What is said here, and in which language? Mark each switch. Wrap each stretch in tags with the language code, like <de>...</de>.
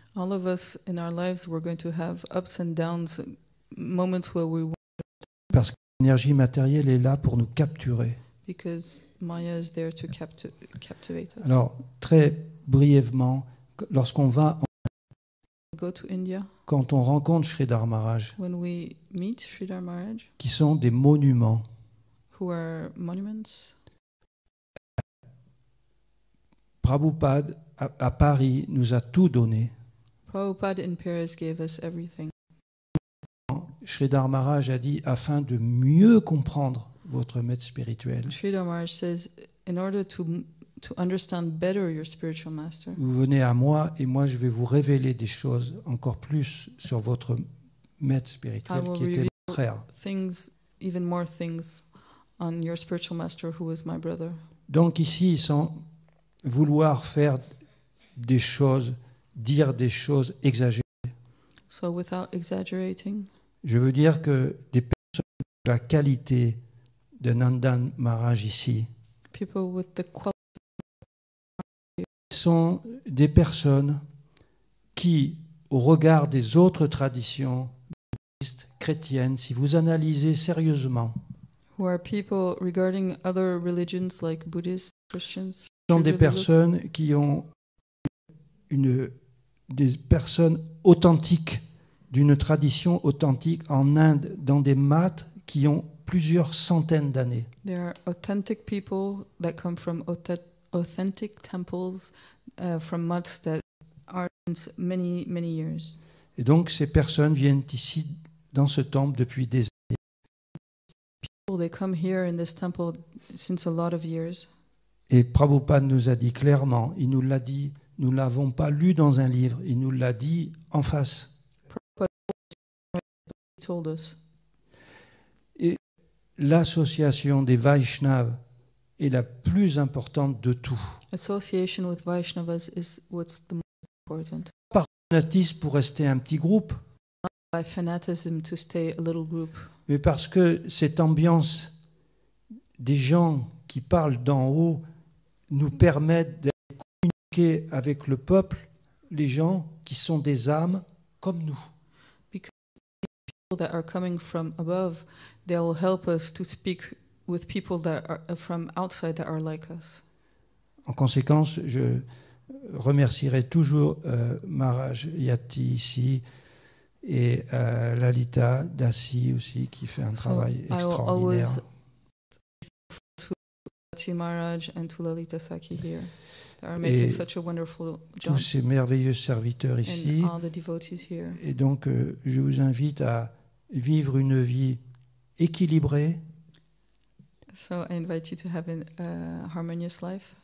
<en>All of us in our lives we're going to have ups and downs, moments where we won't.</en> <fr>Parce que l'énergie matérielle est là pour nous capturer.</fr> <en>Because Maya is there to captivate us.</en> <fr>Alors très brièvement, lorsqu'on va en</fr> <en>go to India,</en> <fr>quand on rencontre Sridhar Maharaj,</fr> <en>when we meet Sridhar Maharaj,</en> <fr>qui sont des monuments,</fr> <en>who are monuments?</en> <fr>Prabhupada à Paris nous a tout donné.</fr> <en>Prabhupada in Paris gave us everything.</en> <fr>Sridhar Maharaj a dit, afin de mieux comprendre votre maître spirituel.</fr> <en>Sridhar Maharaj says, in order to understand better your spiritual master.</en> <fr>Vous venez à moi et moi je vais vous révéler des choses encore plus sur votre maître spirituel qui était mon frère.</fr> <en>Things, even more things. On your spiritual master, who is my brother.</en> <fr>Donc ici, sans vouloir faire des choses, dire des choses exagérées.</fr> <en>So without exaggerating.</en> <fr>Je veux dire que des personnes de la qualité de Nandan Maharaj ici.</fr> <en>People with the quality.</en> <fr>Sont des personnes qui, au regard des autres traditions bouddhistes, chrétiennes, si vous analysez sérieusement.</fr> <en>Who are people regarding other religions like Buddhists, Christians?</en> <fr>Ce sont des personnes qui ont des personnes authentiques, d'une tradition authentique en Inde, dans des maths qui ont plusieurs centaines d'années.</fr> <en>There are authentic people that come from authentic temples from maths that are since many, many years.</en> <fr>Et donc ces personnes viennent ici dans ce temple depuis des années.</fr> <en>They come here in this temple since a lot of years.</en> <fr>Et Prabhupada nous a dit clairement, il nous l'a dit, nous ne l'avons pas lu dans un livre, il nous l'a dit en face.</fr> <en>Prabhupada told us.</en> <fr>Et l'association des Vaishnavas est la plus importante de tout.</fr> <en>Association with Vaishnavas is what's the most important.</en> <fr>Par fanatisme pour rester un petit groupe.</fr> <en>By fanaticism to stay a little group.</en> <fr>Mais parce que cette ambiance des gens qui parlent d'en haut nous permettent de communiquer avec le peuple, les gens qui sont des âmes comme nous.</fr> <en>Because people that are coming from above, they'll help us to speak with people that are from outside that are like us.</en> <fr>En conséquence, je remercierai toujours Maharaj Yati ici. Et Lalita Dasi aussi qui fait un travail extraordinaire.</fr> <en>And to Lalita Saki here. They are making such a wonderful job.</en> <fr>Tous ces merveilleux serviteurs ici.</fr> <en>And all the devotees here.</en> <fr>Et donc je vous invite à vivre une vie équilibrée.</fr> <en>So I invite you to have a harmonious life.</en>